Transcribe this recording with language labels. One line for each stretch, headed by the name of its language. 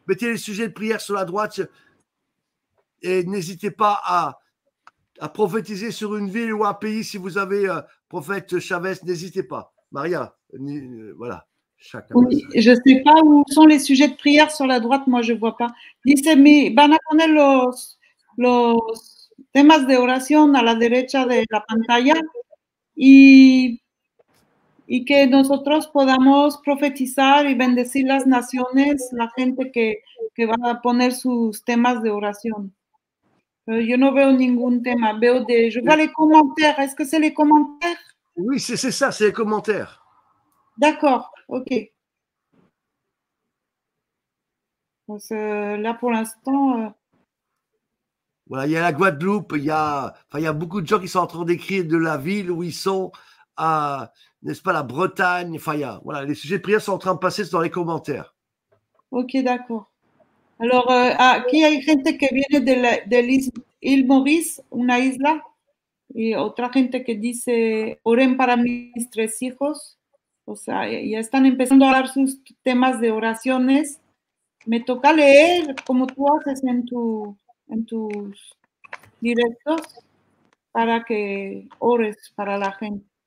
French: Mettez les sujets de prière sur la droite et n'hésitez pas à prophétiser sur une ville ou un pays si vous avez... Prophète Chavez, n'hésitez pas. Maria, voilà. Chacun. Oui, je ne sais pas où sont les sujets de prière sur la droite, moi je ne vois pas.
Spanish: Dice, mi, van a poner los temas de oración a la derecha de la pantalla y que nosotros podamos profetizar y bendecir las naciones, la gente que va a poner sus temas de oración. Yo no veo ningún tema. Veo des...
French: Je vois les commentaires. Est-ce que c'est les commentaires? Oui, c'est ça, c'est les commentaires. D'accord, ok. Donc, là, pour l'instant... Voilà, il y a la Guadeloupe, il y a beaucoup de gens qui sont en train d'écrire de la ville où ils sont, à, n'est-ce pas, la Bretagne. Enfin, il y a, voilà, les sujets de prière sont en train de passer dans les commentaires. Ok, d'accord.
Spanish: Alors, aquí hay gente que viene de l'île Maurice, una isla, y otra gente que dice, oren para mis tres hijos. O sea, ya están empezando a dar sus temas de oraciones. Me toca leer, como tú haces en tus directos, para que ores para la gente.